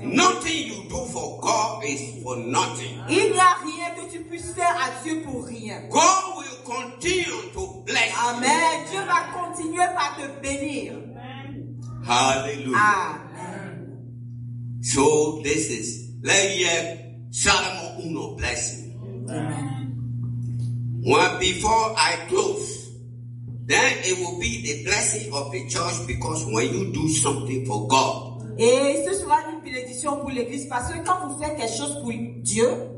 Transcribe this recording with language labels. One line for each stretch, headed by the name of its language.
English: Nothing you do for God is for nothing.
French: Il n'y a rien que tu puisses faire à Dieu pour rien.
English: God will continue to bless. Amen. You.
French: Dieu va continuer par te bénir. Hallelujah. Amen.
English: So this is Leyev Salomon Uno blessing. Amen. Well, before I close, then it will be the blessing of the church, because when you do something for God,
French: et ce sera une bénédiction pour l'église, parce que quand vous faites quelque chose pour Dieu,